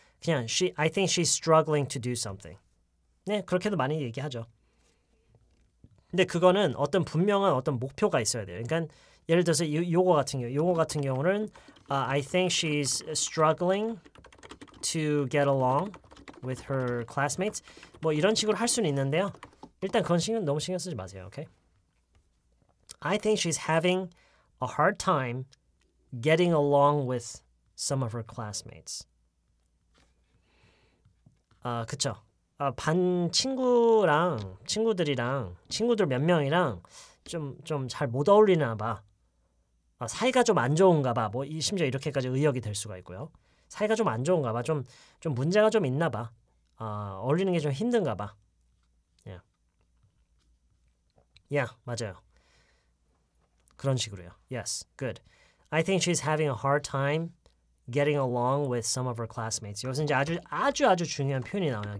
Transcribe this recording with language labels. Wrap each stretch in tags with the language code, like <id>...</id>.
<en>그냥 I think she's struggling to do something.</en> <ko>네, 그렇게도 많이 얘기하죠. 근데 그거는 어떤 분명한 어떤 목표가 있어야 돼요. 그러니까 예를 들어서 요거 같은 경우는</ko> <en>I think she's struggling to get along with her classmates.</en> <ko>뭐 이런 식으로 할 수는 있는데요. 일단 그건 너무 신경 쓰지 마세요, okay?</ko> <en>I think she's having a hard time getting along with some of her classmates.</en> <ko>그쵸. 반 친구들 몇 명이랑 좀 잘 못 어울리나 봐. 사이가 좀 안 좋은가 봐. 뭐 심지어 이렇게까지 의역이 될 수가 있고요. 사이가 좀 안 좋은가 봐. 좀 문제가 좀 있나 봐. 어울리는 게 좀 힘든가 봐. Yeah, 맞아요. 그런 식으로요. Yes, good.</ko> <en>I think she's having a hard time getting along with some of her classmates.</en> <ko>여기서 이제 아주 아주 아주 중요한 표현이 나와요.</ko>